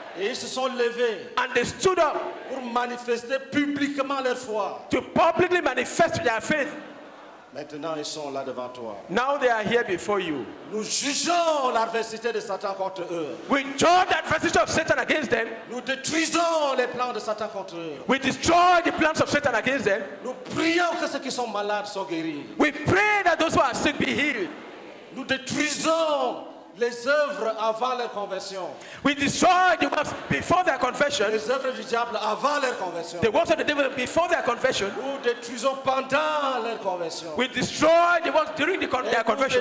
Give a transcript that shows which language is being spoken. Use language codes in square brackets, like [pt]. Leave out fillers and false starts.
[fr] Et ils se sont levés. [en] And they stood up. [fr] Pour manifester publiquement leur foi. [en] To publicly manifest their faith. [fr] Maintenant ils sont là devant toi. [en] Now they are here before you. [fr] Nous jugeons l'adversité de Satan contre eux. [en] We judge the adversity of Satan against them. [fr] Nous détruisons les plans de Satan contre eux. [en] We destroy the plans of Satan against them. [fr] Nous prions que ceux qui sont malades soient guéris. [en] We pray that those who are sick be healed. [fr] Nous détruisons Les œuvres avant leur conversion. [en] We destroy the works before their confession. [fr] Les œuvres du diable avant leur conversion. [en] The works of the devil before their confession. [fr] Nous détruisons pendant leur conversion. [en] We destroy the works during the their confession.